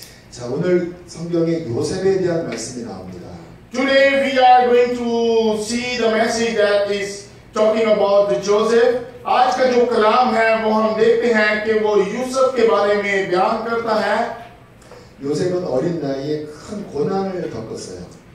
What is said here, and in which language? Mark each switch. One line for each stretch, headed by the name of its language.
Korean: 자, 오늘 성경에 요셉에 대한 말씀이 나옵니다.
English: Today we are going to see the message that is talking about the Joseph.
Hindi: 아ज का जो कलाम है वो हम देखते हैं कि वो यूसुफ के बारे में बयान करता है.
Korean: 요셉은 어린 나이에 큰 고난을 겪었어요.